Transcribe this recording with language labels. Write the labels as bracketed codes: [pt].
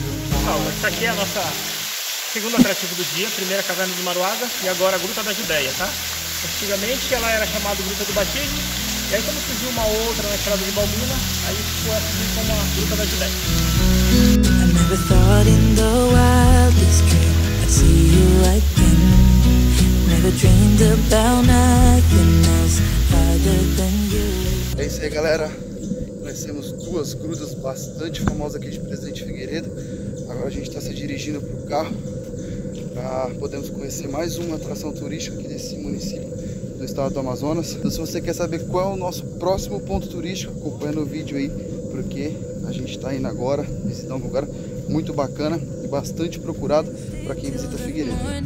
[pt] Pessoal, essa aqui é a nossa segunda atrativa do dia, primeira caverna do Maruaga e agora a Gruta da Judéia, tá? Antigamente ela era chamada Gruta do Batismo, e aí quando surgiu uma outra na estrada de Balbina, aí ficou assim como a Gruta da Judéia. [en] Never thought in the wildest dream I'd see you again. Never dreamed about nothing else other than you. [pt] É isso aí, galera. Conhecemos duas grutas bastante famosas aqui de Presidente Figueiredo. Agora a gente está se dirigindo para o carro para podermos conhecer mais uma atração turística aqui desse município do estado do Amazonas. Então, se você quer saber qual é o nosso próximo ponto turístico, acompanha o vídeo aí, porque a gente está indo agora visitar um lugar muito bacana e bastante procurado para quem visita Figueiredo.